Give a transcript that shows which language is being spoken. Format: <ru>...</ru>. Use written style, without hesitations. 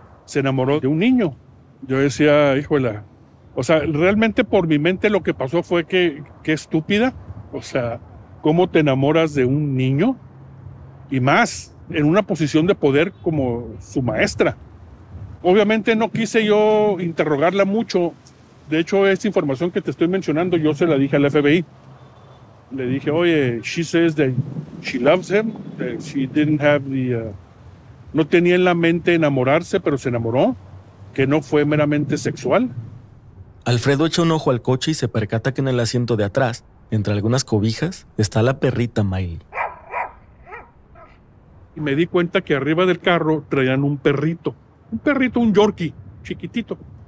<es>se enamoró de un niño. Yo decía, híjole, o sea, realmente por mi mente lo que pasó fue que, qué estúpida, o sea, ¿cómo te enamoras de un niño? Y más, en una posición de poder como su maestra. Obviamente no quise yo interrogarla mucho. De hecho, esta información que te estoy mencionando, yo se la dije al FBI. Le dije, oye,</es> <en>she says that she loves him, that she didn't have the...</en> <es>No tenía en la mente enamorarse, pero se enamoró, que no fue meramente sexual. Alfredo echa un ojo al coche y se percata que en el asiento de atrás, entre algunas cobijas, está la perrita Miley. Y me di cuenta que arriba del carro traían un perrito. Un perrito, un Yorkie, chiquitito.</es>